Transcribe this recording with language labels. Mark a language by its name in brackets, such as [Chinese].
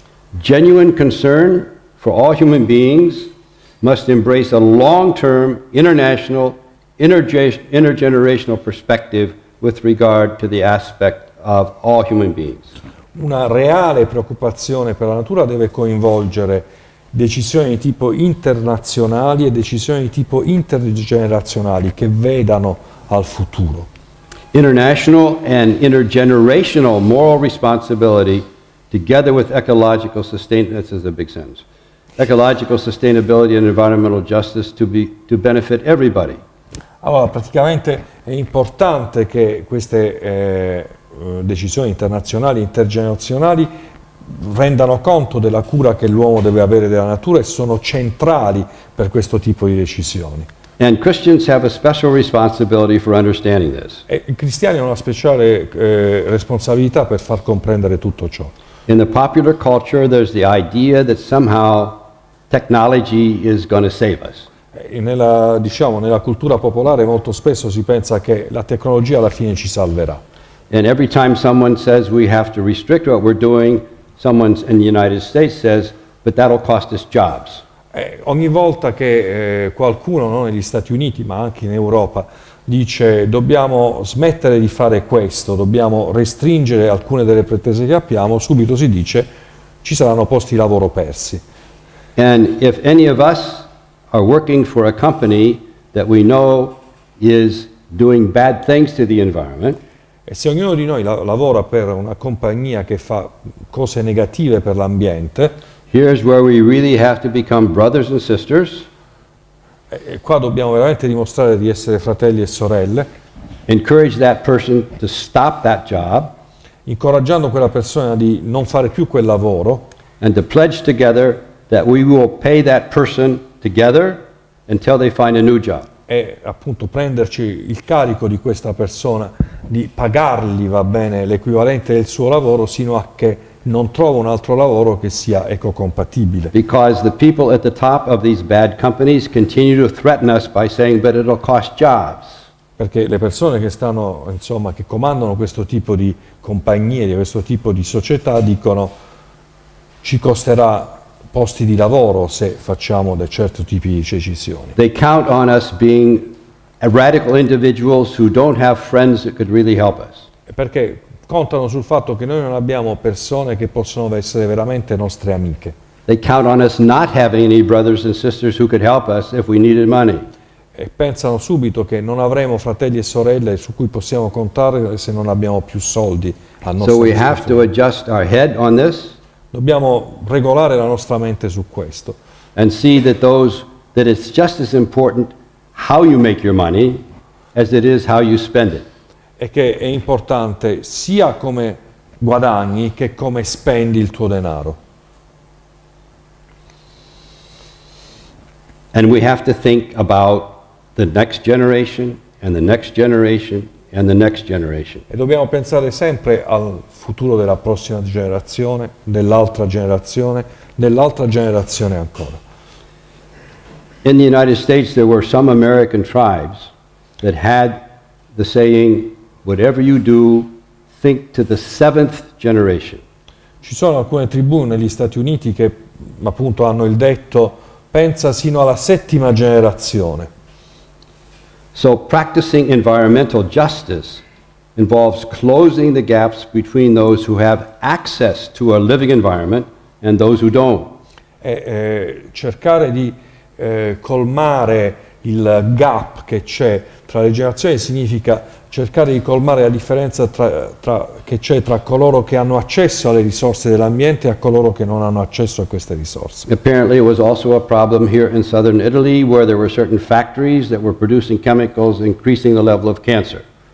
[English] Genuine concern for all human beings must embrace a long-term, international, intergenerational perspective with regard to the aspect of all human beings. [Italian] Una reale preoccupazione per la natura deve coinvolgere decisioni di tipo internazionali e decisioni di tipo intergenerazionali che vedano al futuro. [English] International and intergenerational moral responsibility together with ecological sustainability, this is a big sentence, ecological sustainability and environmental justice to benefit everybody. [Italian] Allora, praticamente è importante che queste decisioni internazionali e intergenerazionali rendano conto della cura che l'uomo deve avere della natura e sono centrali per questo tipo di decisioni. [English] And Christians have a special responsibility for understanding this. [Italian] E i cristiani hanno una speciale responsabilità per far comprendere tutto ciò. [English] In the popular culture there's the idea that somehow technology is going to save us. [Italian] Nella cultura popolare molto spesso si pensa che la tecnologia alla fine ci salverà. [English] And every time someone says we have to restrict what we're doing, someone in the United States says, but that'll cost us jobs. [Italian] Ogni volta che qualcuno, non negli Stati Uniti ma anche in Europa, dice dobbiamo smettere di fare questo, dobbiamo restringere alcune delle pretese che abbiamo, subito si dice ci saranno posti di lavoro persi. [English] And if any of us are working for a company that we know is doing bad things to the environment, [Italian] e se ognuno di noi lavora per una compagnia che fa cose negative per l'ambiente, [English] here's where we really have to become brothers and sisters. [Italian] E qua dobbiamo veramente dimostrare di essere fratelli e sorelle. [English] Encourage that person to stop that job. [Italian] Incoraggiando quella persona di non fare più quel lavoro. [English] And to pledge together that we will pay that person together until they find a new job. [Italian] è appunto prenderci il carico di questa persona, di pagargli, va bene, l'equivalente del suo lavoro, sino a che non trova un altro lavoro che sia ecocompatibile. [English] Because the people at the top of these bad companies continue to threaten us by saying, but it'll cost jobs. [Italian] Perché le persone che stanno, insomma, che comandano questo tipo di compagnie, di questo tipo di società, dicono ci costerà posti di lavoro se facciamo dei certi tipi di decisioni. [English] They count on us being radical individuals who don't have friends that could really help us. [Italian] Perché contano sul fatto che noi non abbiamo persone che possono essere veramente nostre amiche. [English] They count on us not having any brothers and sisters who could help us if we needed money. [Italian] E pensano subito che non avremo fratelli e sorelle su cui possiamo contare se non abbiamo più soldi a nostra disposizione. [English] So we have to adjust our head on this. [Italian] Dobbiamo regolare la nostra mente su questo. [English] And see that those that it's just as important how you make your money as it is how you spend it. [Italian] E che è importante sia come guadagni che come spendi il tuo denaro. [English] And we have to think about the next generation and the next generation and the next generation. [Italian] E dobbiamo pensare sempre al futuro della prossima generazione, dell'altra generazione, dell'altra generazione ancora. [English] In the United States there were some American tribes that had the saying, whatever you do, think to the seventh generation. [Italian] Ci sono alcune tribù negli Stati Uniti che appunto hanno il detto pensa sino alla settima generazione. [English] So practicing environmental justice involves closing the gaps between those who have access to a living environment and those who don't. [Italian] Cercare di colmare il gap che c'è tra le generazioni significa cercare di colmare la differenza tra coloro che hanno accesso alle risorse dell'ambiente e a coloro che non hanno accesso a queste risorse. [English] Apparently it was also a problem here in southern Italy where there were certain factories that were producing chemicals increasing the level of cancer.